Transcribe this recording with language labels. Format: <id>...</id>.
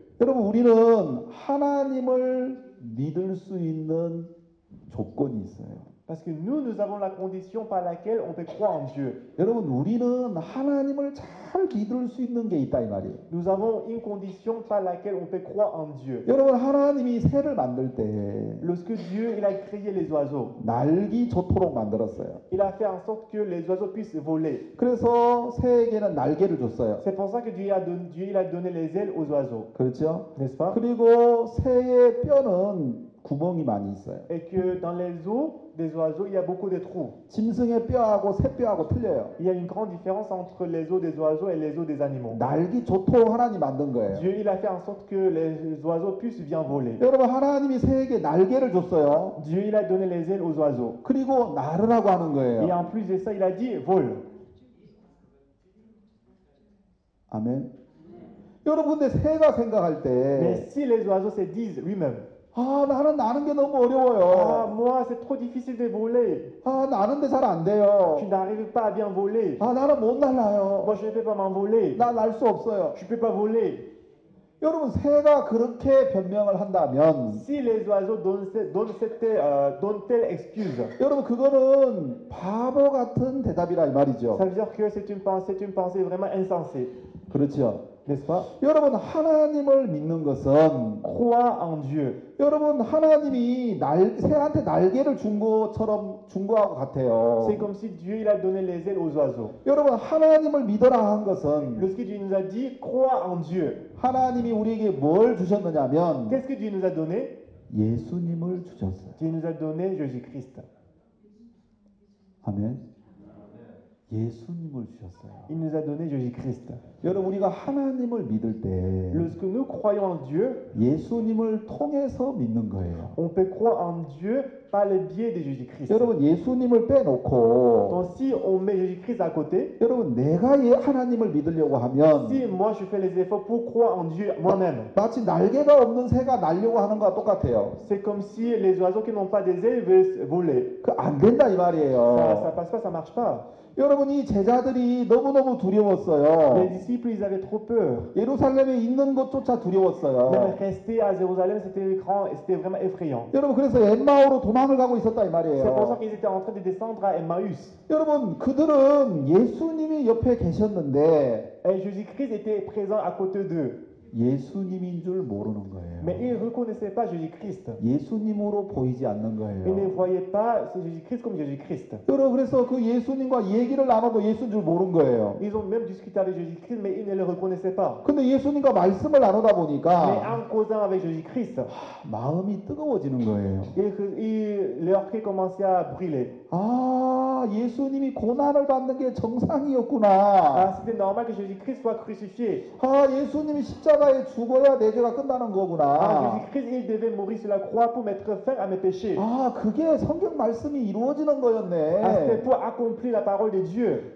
<ko>여러분 우리는 하나님을 믿을 수 있는 조건이 있어요.</ko> <fr>Parce que nous avons la condition par laquelle on peut croire en Dieu.</fr> <ko>여러분 우리는 하나님을 잘 믿을 수 있는 게 있다 이 말이에요.</ko> <fr>Nous avons une condition par laquelle on peut croire en Dieu.</fr> <ko>여러분 하나님이 새를 만들 때</ko> <fr>Lorsque Dieu il a créé les oiseaux.</fr> <ko>날기 좋도록 만들었어요.</ko> <fr>Il a fait en sorte que les oiseaux puissent voler.</fr> <ko>그래서 새에게는 날개를 줬어요.</ko> <fr>C'est pour ça que Dieu il a donné les ailes aux oiseaux.</fr> <ko>그렇죠?</ko> <fr>N'est-ce pas?</fr> <ko>그리고 새의 뼈는 구멍이 많이 있어요.</ko> <fr>Et que dans les os des oiseaux, il y a beaucoup de trous.</fr> <ko>짐승의 뼈하고 새뼈하고 틀려요.</ko> <fr>Il y a une grande différence entre les os des oiseaux et les os des animaux.</fr> <ko>날기 좋도록 하나님 만든 거예요.</ko> <fr>Dieu il a fait en sorte que les oiseaux puissent bien voler.</fr> <ko>여러분 하나님이 새에게 날개를 줬어요.</ko> <fr>Dieu il a donné les ailes aux oiseaux.</fr> <ko>그리고 날으라고 하는 거예요.</ko> <fr>Et en plus de ça, il a dit vole.</fr> <ko>아멘. 여러분 근데 새가 생각할 때</ko> <fr>Mais si les oiseaux se disent lui-même</fr> <ko>아 나는 나는 게 너무 어려워요.</ko> <fr>아, moi c'est trop difficile de voler.</fr> <ko>아 나는데 잘 안 돼요.</ko> <fr>Je n'arrive pas à bien voler.</fr> <ko>아 나는 못 날아요.</ko> <fr>Moi je ne peux pas m'envoler.</fr> <ko>나 날 수 없어요.</ko> <fr>Je peux pas voler.</fr> <ko>여러분 새가 그렇게 변명을 한다면</ko> <fr>Si les oiseaux donnent telle excuse.</fr> <ko>여러분 그거는 바보 같은 대답이라 이 말이죠.</ko> <fr>Ça veut dire que c'est une pensée vraiment insensée.</fr> <ko>그렇죠.</ko> <fr>N'est-ce pas?</fr> <ko>여러분 하나님을 믿는 것은</ko> <fr>Croire en Dieu.</fr> <ko>여러분 하나님이 새한테 날개를 준 것처럼 준 거하고 같아요.</ko> <fr>C'est comme si Dieu il a donné les ailes aux oiseaux.</fr> <ko>여러분 하나님을 믿어라 한 것은</ko> <fr>Lorsque Dieu nous a dit Croire en Dieu.</fr> <ko>하나님이 우리에게 뭘 주셨느냐면</ko> <fr>Qu'est-ce que Dieu nous a donné?</fr> <ko>예수님을 주셨어요.</ko> <fr>Dieu nous a donné Jésus-Christ.</fr> <ko>아멘. 예수님을 주셨어요.</ko> <fr>Il nous a donné Jésus-Christ.</fr> <ko>여러분 우리가 하나님을 믿을 때</ko> <fr>Lorsque nous croyons en Dieu,</fr> <ko>예수님을 통해서 믿는 거예요.</ko> <fr>On peut croire en Dieu par le biais de Jésus-Christ.</fr> <ko>여러분 예수님을 빼놓고</ko> <fr>Donc, si on met Jésus-Christ à côté,</fr> <ko>여러분 내가 하나님을 믿으려고 하면</ko> <fr>Si moi je fais les efforts pour croire en Dieu moi-même.</fr> <ko>마치 날개가 없는 새가 날려고 하는 것과 똑같아요.</ko> <fr>C'est comme si les oiseaux qui n'ont pas des ailes veulent voler.</fr> <ko>그 안 된다 이 말이에요.</ko> <fr>Ça passe pas, ça marche pas.</fr> <ko>여러분 이 제자들이 너무너무 두려웠어요.</ko> <fr>Les disciples avaient trop peur.</fr> <ko>예루살렘에 있는 것조차 두려웠어요.</ko> <fr>Rester à Jérusalem c'était vraiment effrayant.</fr> <ko>여러분 그래서 엠마오로 도망을 가고 있었다 이 말이에요.</ko> <fr>C'est pour ça qu'ils étaient en train de descendre à Emmaüs.</fr> <ko>여러분 그들은 예수님이 옆에 계셨는데</ko> <fr>Et Jésus-Christ était présent à côté d'eux.</fr> <ko>예수님인 줄 모르는 거예요.</ko> <fr>Mais ils ne reconnaissaient pas Jésus-Christ.</fr> <ko>예수님으로 보이지 않는 거예요.</ko> <fr>Ils ne voyaient pas Jésus-Christ comme Jésus-Christ.</fr> <ko>여러분 그래서 그 예수님과 얘기를 나눠도 예수인 줄 모르는 거예요.</ko> <fr>Ils ont même discuté avec Jésus-Christ, mais ils ne le reconnaissaient pas.</fr> <ko>근데 예수님과 말씀을 나누다 보니까</ko> <fr>Mais en causant avec Jésus-Christ,</fr> <ko>마음이 뜨거워지는 거예요.</ko> <fr>Et leur cœur commençait à brûler.</fr> <ko>아, 예수님이 고난을 받는 게 정상이었구나.</ko> <fr>아, c'était normal que Jésus-Christ soit crucifié.</fr> <ko>아, 예수님이 십자가에 죽어야 내 죄가 끝나는 거구나.</ko> <fr>아, Jésus-Christ il devait mourir sur la croix pour mettre fin à mes péchés.</fr> <ko>아, 그게 성경 말씀이 이루어지는 거였네.</ko> <fr>C'était pour accomplir la parole de Dieu.</fr>